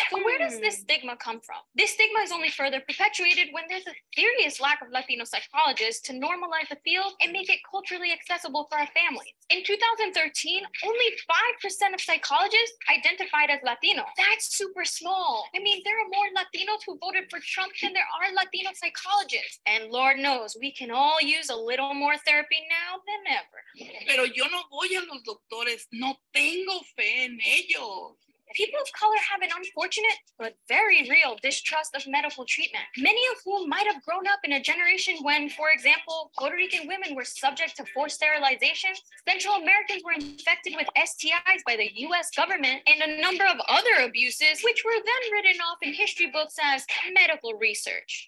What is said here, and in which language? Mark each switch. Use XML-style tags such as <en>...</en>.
<en>So where does this stigma come from? This stigma is only further perpetuated when there's a serious lack of Latino psychologists to normalize the field and make it culturally accessible for our families. In 2013, only 5% of psychologists identified as Latino. That's super small. I mean, there are more Latinos who voted for Trump than there are Latino psychologists. And Lord knows, we can all use a little more therapy now than ever.</en> <es>Pero yo no voy a los doctores. No tengo fe en ellos.</es> <en>People of color have an unfortunate but very real distrust of medical treatment, many of whom might have grown up in a generation when, for example, Puerto Rican women were subject to forced sterilization, Central Americans were infected with STIs by the U.S. government, and a number of other abuses, which were then written off in history books as medical research.</en>